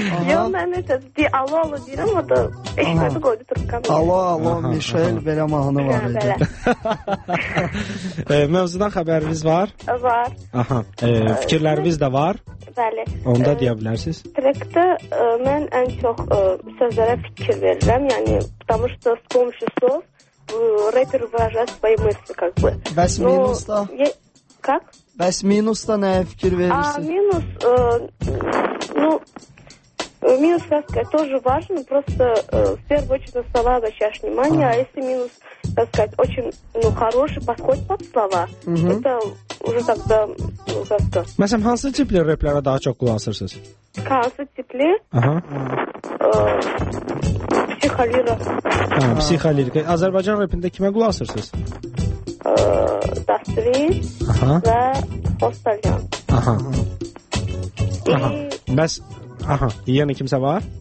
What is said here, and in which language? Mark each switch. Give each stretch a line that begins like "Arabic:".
Azerbaijani: Yox, mən alo alo deyirəm, o da eşitmədi qoydu turqqanı. Alo alo, Mişel belə mahnı var idi. Mövzudan xəbəriniz var? Var. Aha. Fikirləriniz də var? Bəli. Onu da deyə bilərsiniz? Trekdə mən ən çox sözlərə fikir verirəm, yəni...
Russian: Потому что с помощью слов рэпер выражает свои мысли, как бы. Вас минус-то? Как?
Azerbaijani: Bəs minusda nəyə fikir verirsin?
Russian: Minus, минус, так сказать, тоже важен, просто в первую очередь слова обращаешь внимание, а если минус, так сказать, очень хороший, подходит под слова, это уже тогда как-то.
Azerbaijani: Мәсәлән, hansı tipli rəplərə daha çox qulansırsınız? Hansı tipli? Aha. Psixolirika. Tamam, psixolirika. Azərbaycan rəpində kimə qulansırsınız? Dastri və Postalyan. Aha. Aha. Bəs aha, yenə kimsə var?